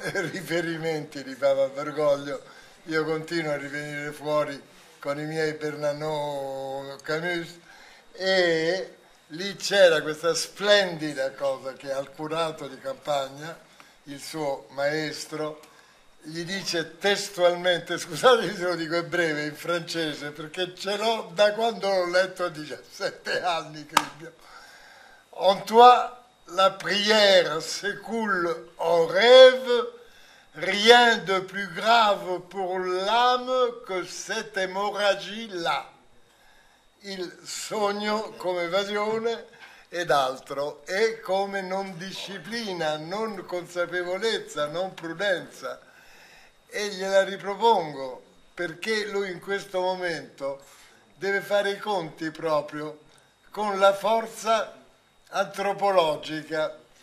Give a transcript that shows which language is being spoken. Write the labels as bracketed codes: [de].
[it] riferimenti di Papa Bergoglio, io continuo a rivenire fuori con i miei Bernanot Camus, e lì c'era questa splendida cosa che al curato di campagna, il suo maestro, gli dice testualmente, scusate se lo dico in breve, in francese, perché ce l'ho da quando l'ho letto a 17 anni, credo. [fr] En toi, la prière s'écoule en rêve, rien de plus grave pour l'âme que cette hémorragie-là. [it] Il sogno come evasione ed altro, e come non disciplina, non consapevolezza, non prudenza. E gliela ripropongo, perché lui in questo momento deve fare i conti proprio con la forza antropologica,